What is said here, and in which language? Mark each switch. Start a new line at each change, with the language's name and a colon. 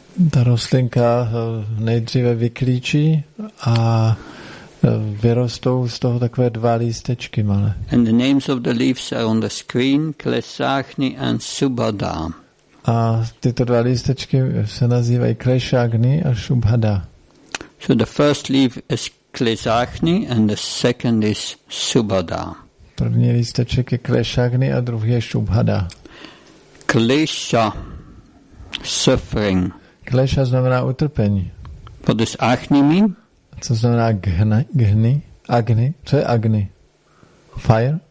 Czech: Ta rostlinka nejdříve vyklíčí a vyrostou z toho takové dva lístečky malé.
English: And the names of the leaves are on the screen, Klesachni and Subhada.
Czech: A tyto dva lístečky se nazývají Klesachni a Subhada.
English: So the first leaf is Klesachni and the second is Subhada.
Czech: První lísteček je Klesachni a druhý je Subhada.
English: Klesha, suffering.
Czech: Klesha znamená utrpení.
English: What does Achni mean?
Czech: Co znamená Gni? Agni? Co je Agni?
English: Fire?